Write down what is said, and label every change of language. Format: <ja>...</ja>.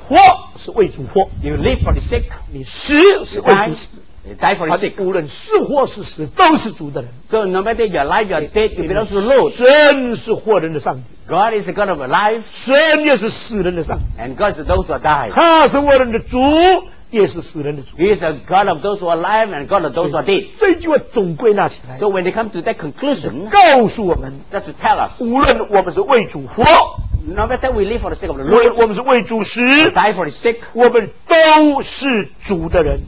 <zh>你活是为主活。</zh> <en>You live for the sake.</en> <zh>你死是为主死。</zh> <en>Die for his sake.</en> <zh>无论是活是死都是主的人。</zh> <en>So no matter your life, your death, you belong to the Lord.</en> <zh>神是活人的上帝。</zh> <en>God is the God of life.</en> <zh>神也是死人的上帝。</zh> <en>And God is those who die.</en> <zh>他是活人的主，也是死人的主。</zh> <en>He is the God of those who are alive and God of those who are dead.</en> <zh>这句话总归纳起来，</zh> <en>So when they come to that conclusion,</en> <zh>告诉我们，</zh> <en>That's to tell us.</en> <zh>无论我们是为主活，</zh> <en>No matter we live for the sake of the Lord,</en> <zh>我们是为主死，</zh> <en>Die for his sake.</en> <zh>我们都是主的人，</zh>